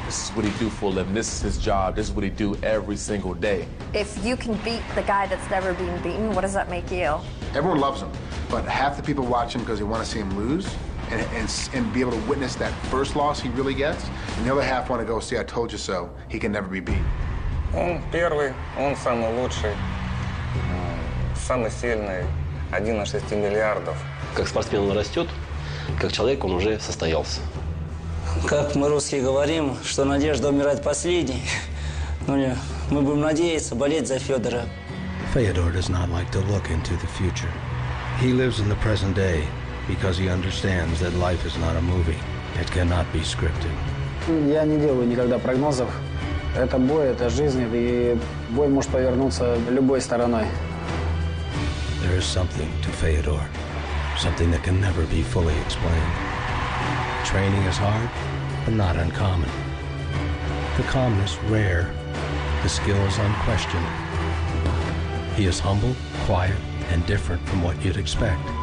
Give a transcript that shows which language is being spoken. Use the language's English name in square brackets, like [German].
[English] This is what he do for a living. This is his job. This is what he do every single day. If you can beat the guy that's never been beaten, what does that make you? Everyone loves him, but half the people watch him because they want to see him lose and be able to witness that first loss he really gets, and the other half want to go see, I told you so, he can never be beat. [Russian] Он первый, он самый лучший, самый сильный, 1,6 миллиардов. Как спортсмен он растет, как человек он уже состоялся. Как мы русские говорим, что надежда умирает последней. Ну, мы будем надеяться, болеть за Федора. [English] Феодор does not like to look into the future. He lives in the present day because he understands that life is not a movie. It cannot be scripted. [Russian] Я не делаю никогда прогнозов. Это бой, это жизнь, и бой может повернуться любой стороной. [English] There is something to Fedor, something that can never be fully explained. Training is hard, but not uncommon. The calmness rare, the skill is unquestioned. He is humble, quiet, and different from what you'd expect.